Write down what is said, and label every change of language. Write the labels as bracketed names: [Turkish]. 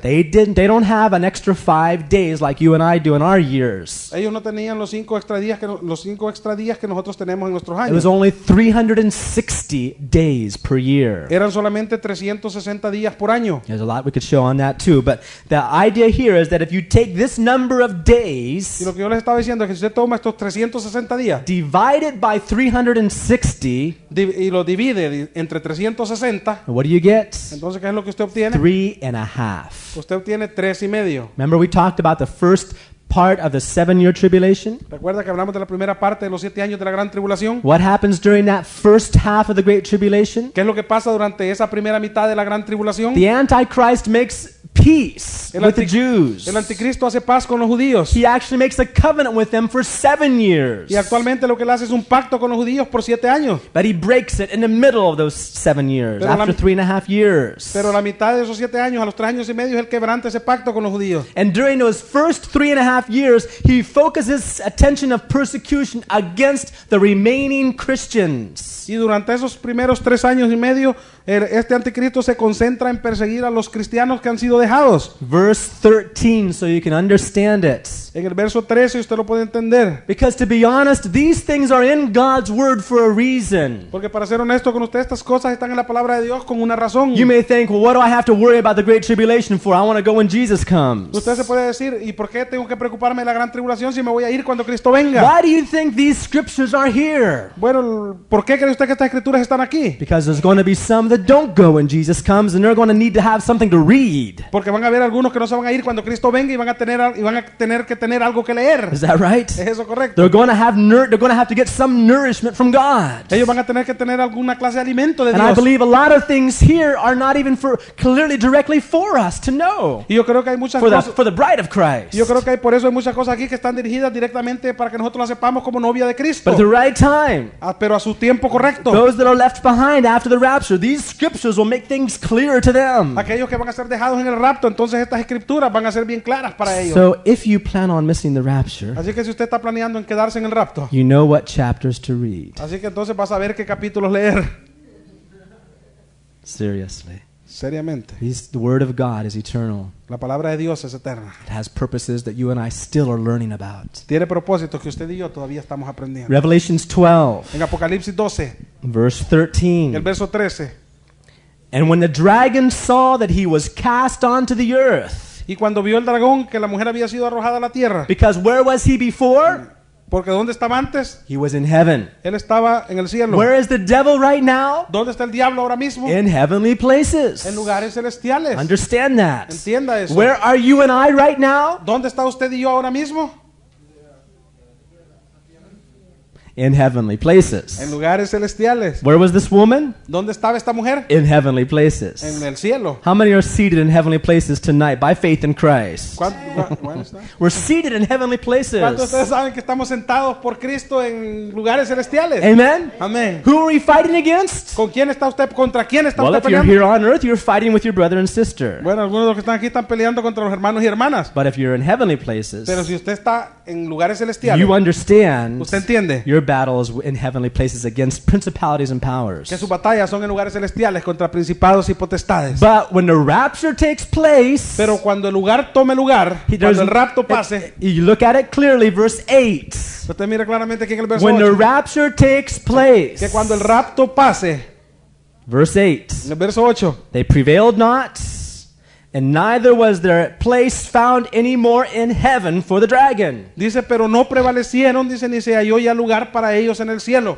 [English] They don't have an extra 5 days like you and I do in our years. [Spanish] Ellos no tenían los cinco extra días que nosotros tenemos en nuestros años. [English] It was only 360 days per year. [Spanish] Eran solamente 360 días por año. [English] There's a lot we could show on that too, but the idea here is that if you take this number of days, [Spanish] y lo que yo les estaba diciendo es que si usted toma estos 360 días, [English] divided by 360. [Spanish] Y lo divide entre 360. [English] What do you get? [Spanish] Entonces, ¿qué es lo que usted obtiene? [English] 3.5. [Spanish] Usted obtiene 3.5. [English] Remember, we talked about the first part of the 7-year tribulation. [Spanish] Recuerda que hablamos de la primera parte de los 7 años de la gran tribulación. [English] What happens during that first half of the great tribulation? [Spanish] ¿Qué es lo que pasa durante esa primera mitad de la gran tribulación? [English] The Antichrist makes peace with the Jews. [Spanish] El anticristo hace paz con los judíos. [English] He actually makes a covenant with them for 7 years. [Spanish] Y actualmente lo que él hace es un pacto con los judíos por 7 años. [English] But he breaks it in the middle of those 7 years, pero after 3.5 years. [Spanish] Pero la mitad de esos 7 años, a los 3.5 años, él quebranta ese pacto con los judíos. [English] And during those first 3.5 years, he focuses attention of persecution against the remaining Christians. [Spanish] Y durante esos primeros 3.5 años, este anticristo se concentra en perseguir a los cristianos que han sido dejados. [English] Verse 13, so you can understand it. [Spanish] En el verso 13 usted lo puede entender. [English] Because to be honest, these things are in God's word for a reason. [Spanish] Porque para ser honesto con usted, estas cosas están en la palabra de Dios con una razón. [English] You may think, well, what do I have to worry about the great tribulation for? I want to go when Jesus comes. [Spanish] Usted se puede decir, ¿y por qué tengo que preocuparme de la gran tribulación si me voy a ir cuando Cristo venga? [English] Why do you think these scriptures are here? [Spanish] Bueno, ¿por qué cree usted que estas escrituras están aquí? [English] Because there's going to be some that don't go when Jesus comes, and they're going to need to have something to read. [Spanish] Porque van a haber algunos que no se van a ir cuando Cristo venga y van a tener algo que leer. [English] Is that right? [Spanish] ¿Es eso correcto? [English] They're going to have to get some nourishment from God. [Spanish] Ellos van a tener que tener alguna clase de alimento de Dios. [English] And I believe a lot of things here are not even for clearly directly for us to know. [Spanish] Y yo creo que hay muchas cosas [English] for the bride of Christ. [Spanish] Yo creo que hay por eso hay muchas cosas aquí que están dirigidas directamente para que nosotros las sepamos como novia de Cristo. [English] But at the right time. [Spanish] Pero a su tiempo correcto. [English] Those that are left behind after the rapture, these scriptures will make things clear to them. [Spanish] Aquellos que van a ser dejados en el rapto, entonces estas escrituras van a ser bien claras para ellos. [English] So if you plan on missing the rapture, [Spanish] así que si usted está planeando en quedarse en el rapto, [English] you know what chapters to read. [Spanish] Así que entonces vas a ver qué capítulos leer. [English] Seriously. [Spanish] Seriamente. [English] The word of God is eternal. [Spanish] La palabra de Dios es eterna. [English] It has purposes that you and I still are learning about. [Spanish] Tiene propósitos que usted y yo todavía estamos aprendiendo. [English] Revelation 12. [Spanish] En Apocalipsis 12. [English] Verse 13. [Spanish] El verso 13. [English] And when the dragon saw that he was cast onto the earth, [Spanish] y cuando vio el dragón que la mujer había sido arrojada a la tierra, [English] because where was he before? [Spanish] Porque ¿dónde estaba antes? [English] He was in heaven. [Spanish] Él estaba en el cielo. [English] Where is the devil right now? [Spanish] ¿Dónde está el diablo ahora mismo? [English] In heavenly places. [Spanish] En lugares celestiales. [English] Understand that. [Spanish] Entienda eso. [English] Where are you and I right now? [Spanish] ¿Dónde está usted y yo ahora mismo? [English] In heavenly places. [Spanish] En lugares celestiales. [English] Where was this woman? [Spanish] ¿Dónde estaba esta mujer? [English] In heavenly places. [Spanish] En el cielo. [English] How many are seated in heavenly places tonight by faith in Christ? We're seated in heavenly places. [Spanish] ¿Cuántos ustedes saben que estamos sentados por Cristo en lugares celestiales? [English] Amen. [Spanish] Amen. [English] Who are we fighting against? [Spanish] ¿Con quién está usted, contra quién está usted peleando? [English] Well, if you're here on earth, you're fighting with your brother and sister. [Spanish] Bueno, algunos de los que están aquí están peleando contra los hermanos y hermanas. [English] But if you're in heavenly places, [Spanish] pero si usted está en lugares celestiales, [English] you understand. [Spanish] ¿Usted entiende? [English] Battles in heavenly places against principalities and powers. [Spanish] Que sus batallas son en lugares celestiales contra principados y potestades. [English] But when the rapture takes place, [Spanish] pero cuando el lugar tome lugar, cuando el rapto pase, [English] you look at it clearly, verse 8. [Spanish] Usted mira claramente aquí en el verso [English] 8. When the rapture takes place, [Spanish] que cuando el rapto pase, [English] verse 8. [Spanish] En el verso 8. [English] They prevailed not, and neither was their place found any more in heaven for the dragon. [Spanish] Dice, pero no prevalecieron, dice, ni se halló ya lugar para ellos en el cielo.